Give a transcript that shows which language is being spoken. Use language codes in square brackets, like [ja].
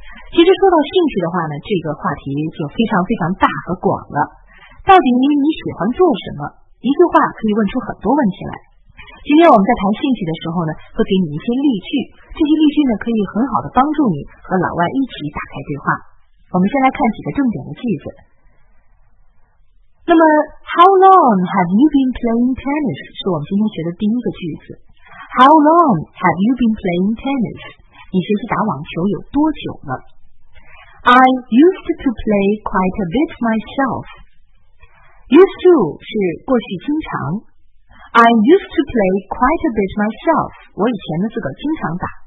[zh] 其实说到兴趣的话呢，这个话题就非常非常大和广了。到底你喜欢做什么？一句话可以问出很多问题来。今天我们在谈兴趣的时候呢，会给你一些例句，这些例句呢可以很好的帮助你和老外一起打开对话。我们先来看几个重点的句子。 [en] 那么 How long have you been playing tennis? [zh] 是我们今天学的第一个句子。 [en] How long have you been playing tennis? [zh] 你学习打网球有多久了？ [en] I used to play quite a bit myself. Used to [zh] 是过去经常。 [en] I used to play quite a bit myself. [zh] 我以前的自个经常打。